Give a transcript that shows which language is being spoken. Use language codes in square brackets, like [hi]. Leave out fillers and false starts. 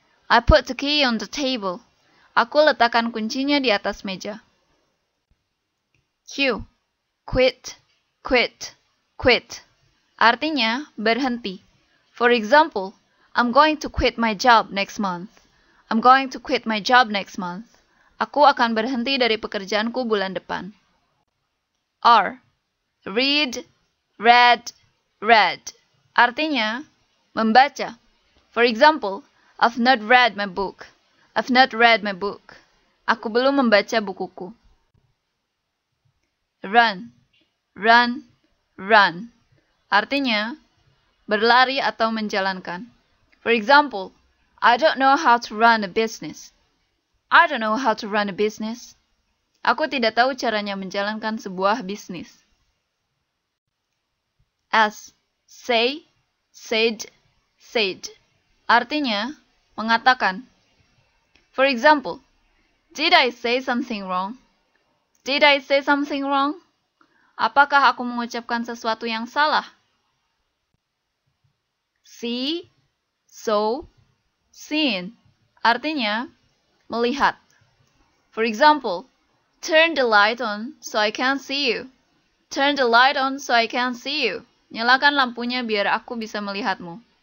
[en] I put the key on the table. [id] Aku letakkan kuncinya di atas meja. [en] Cue, quit, quit, quit. [id] Artinya, berhenti. [en] For example, I'm going to quit my job next month. I'm going to quit my job next month. [id] Aku akan berhenti dari pekerjaanku bulan depan. [en] R. Read, read, read. [id] Artinya, membaca. [en] For example, I've not read my book. I've not read my book. [id] Aku belum membaca bukuku. [en] Run, run, run. [id] Artinya, berlari atau menjalankan. [en] For example, I don't know how to run a business. I don't know how to run a business. [id] Aku tidak tahu caranya menjalankan sebuah bisnis. [en] S. Say, said, said. [id] Artinya, mengatakan. [en] For example, did I say something wrong? Did I say something wrong? [id] Apakah aku mengucapkan sesuatu yang salah? [en] See, so, seen. [id] Artinya, melihat. [en] For example, turn the light on so I can see you. Turn the light on so I can see you. [id] Nyalakan lampunya biar aku bisa melihatmu.